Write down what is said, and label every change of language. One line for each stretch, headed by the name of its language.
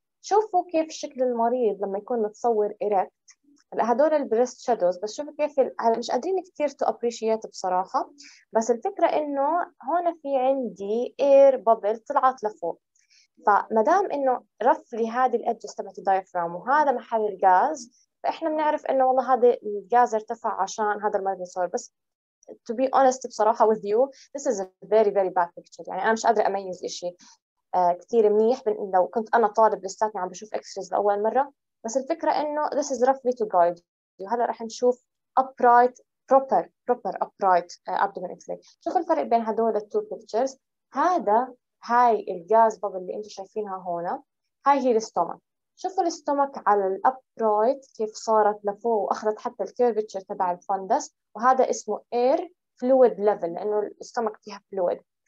Arabic: شوفوا كيف شكل المريض لما يكون متصور إريكت، هدول البريست شادوز، بس شوفوا كيف مش قادرين كثير
English: to appreciate
Arabic: بصراحه، بس الفكره انه هون في عندي اير بابل طلعت لفوق، فما دام انه رفلي هذه الادجست تبعت الدايفرام وهذا محل الغاز، فاحنا بنعرف انه والله هذا الغاز ارتفع عشان هذا المريض صور. بس
English: to be honest
Arabic: بصراحه
English: with you this is a very very bad picture،
Arabic: يعني انا مش قادره اميز شيء كثير منيح لو كنت انا طالب لساتني عم بشوف اكسريز لاول مره، بس الفكره انه
English: this is roughly to guide.
Arabic: وهلا راح نشوف
English: upright proper upright abdomen x-ray.
Arabic: شوف الفرق بين هدول
English: التو بيكتشرز،
Arabic: هاي الغاز بابل اللي انتم شايفينها هون، هاي هي الاستومك. شوفوا الاستومك على الابرايت كيف صارت لفوق واخذت حتى الكيرفتشر تبع الفندس، وهذا اسمه
English: اير فلويد ليفل
Arabic: لانه الاستومك فيها فلويد.